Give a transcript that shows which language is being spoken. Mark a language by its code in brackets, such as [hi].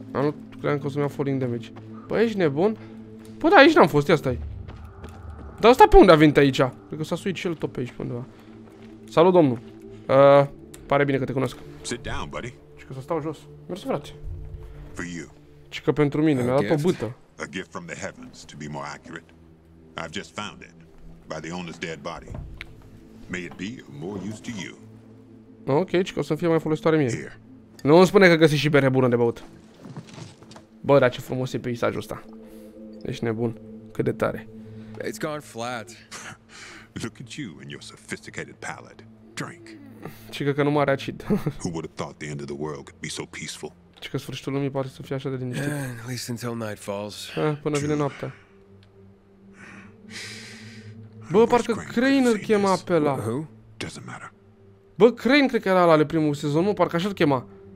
[ro] Nu credeam că o să-mi iau falling damage. Băi, ești nebun? Bă, da, aici n-am fost, ia stai. Dar ăsta pe unde a venit aici? Cred că s-a suit și el tot pe aici, pe undeva. Salut, domnul. Pare bine că te cunosc. [en] Sit down, buddy. [ro] Și că să stau jos. Mersi, frate. [en] For you. [ro] Și că pentru mine, mi-a dat o bâtă. [en] A gift from the heavens, to be more accurate. I've just found it, by the owner's dead body. May it be of more use to you. [ro] Ok, și că o să-mi fie mai folositoare mie. Here. Nu îmi spune că găsești și bere bună de băut. Bă, dar ce frumos e peisajul ăsta. Ești nebun. Cât de tare. [en] It's gone flat. Look at you and your sophisticated palate. Drink. [ro] Chica că nu mai are acid. [en] Who would have thought the end of the world could be so peaceful? [ro] Chica, sfârșitul lumii pare să fie așa de liniștit. [en] Yeah, at least until night falls. [ro] Până vine noaptea. Bă, parcă Crane îl chema pe ăla. [en] Who? Doesn't matter. [ro] Bă, Crane cred că era ăla de primul sezon, mă, parcă așa îl chema.